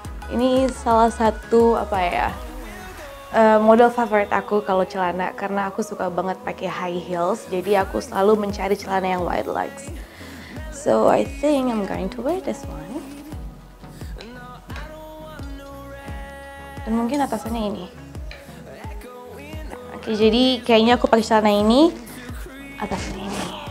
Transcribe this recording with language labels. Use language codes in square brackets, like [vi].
[id] Ini salah satu apa ya model favorit aku kalau celana, karena aku suka banget pakai high heels. Jadi aku selalu mencari celana yang wide legs. [en] So I think I'm going to wear this one. [id] Dan mungkin atasannya ini. Oke, jadi kayaknya aku pakai celana ini, atasnya ini.